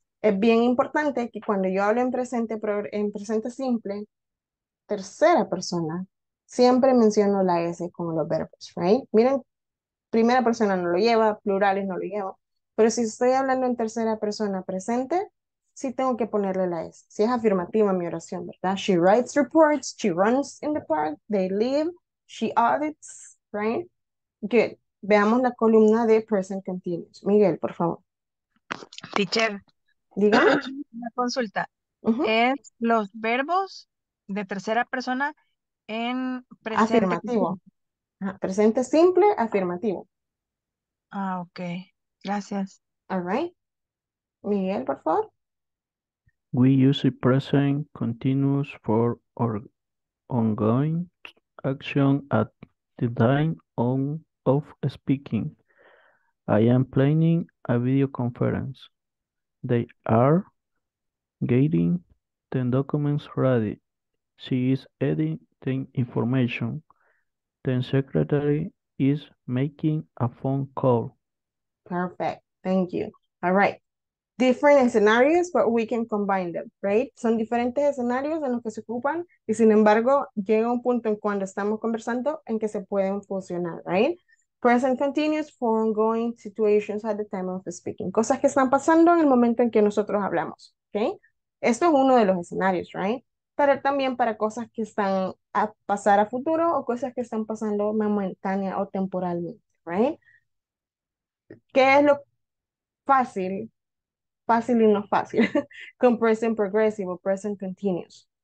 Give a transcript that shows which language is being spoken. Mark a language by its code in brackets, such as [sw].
[es] Es bien importante que cuando yo hablo en presente simple, tercera persona, siempre menciono la S con los verbos, right? Miren, primera persona no lo lleva, plurales no lo llevo. Pero si estoy hablando en tercera persona presente, sí tengo que ponerle la S. Si es afirmativa mi oración, ¿verdad? [en] She writes reports, she runs in the park, they live, she audits. Right? Good. [es] Veamos la columna de present continuous. Miguel, por favor. [en] Teacher. [es] Diga. Una consulta. Uh-huh. ¿Es los verbos de tercera persona en presente? Afirmativo. Presente simple, afirmativo. Ah, ok. Gracias. [en] All right. Miguel, por favor. We use the present continuous for our ongoing action at the time on of speaking. I am planning a video conference. They are getting the documents ready. She is editing information. The secretary is making a phone call. Perfect. Thank you. All right. Different scenarios, but we can combine them, right? [es] Son diferentes escenarios en los que se ocupan y sin embargo, llega un punto en cuando estamos conversando en que se pueden fusionar, right? [en] Present continuous for ongoing situations at the time of speaking. [es] Cosas que están pasando en el momento en que nosotros hablamos, okay? Esto es uno de los escenarios, right? Pero también para cosas que están a pasar a futuro o cosas que están pasando momentánea o temporalmente, right? ¿Qué es lo fácil? Fácil y no fácil, con present progressive o present continuous.